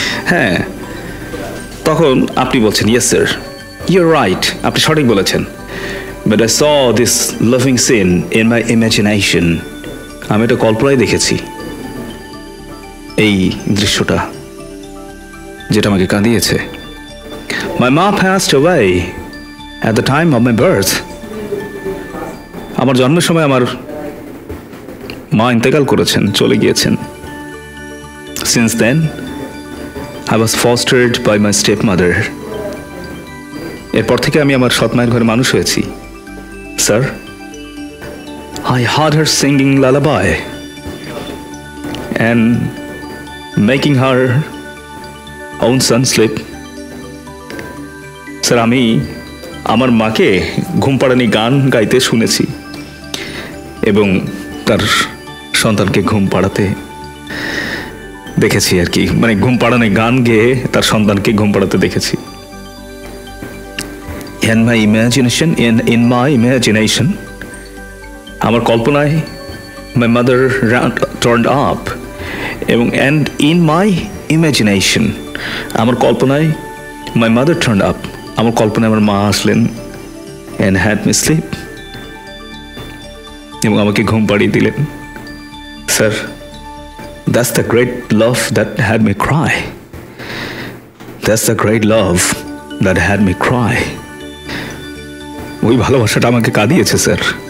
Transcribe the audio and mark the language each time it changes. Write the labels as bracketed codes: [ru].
[bn] হ্যাঁ, তখন আপনি বলছেন, [en] yes sir, you are right, [bn] আপনি সঠিক বলেছেন, [en] but I saw this loving scene in my imagination, [bn] আমি এটা কল্পনায় দেখেছি এই দৃশ্যটা যেটা আমাকে কাঁদিয়েছে। [en] my মা passed away at the time of my birth, [bn] আমার জন্মের সময় আমার মা ইন্তেকাল করেছেন, চলে গিয়েছেন। [en] since then, I was fostered by my stepmother. [bn] এরপর থেকে আমি আমার সৎ মায়ের ঘরে মানুষ হয়েছি sir [en] I heard her singing lullaby and making her own son sleep [bn] sir আমি আমার মাকে ঘুমপাড়ানি গান গাইতে শুনেছি এবং তার সন্তানকে ঘুম পাড়াতে দেখেছি আর কি মানে ঘুমপাড়ানি গান গেয়ে তার সন্তানকে ঘুম পাড়াতে দেখেছি [en] And my imagination, in my imagination, [bn] amar kalponay, [en] my mother turned up. And in my imagination, [bn] amar kalponay, [en] my mother turned up. [bn] Amar kalponay, amar ma aslen [en] and had me sleep. [bn] Ebong amake ghum padiye dilen. [en] Sir, that's the great love that had me cry. That's the great love that had me cry. [bn] ওই ভালোবাসাটা আমাকে কাঁদিয়েছে sir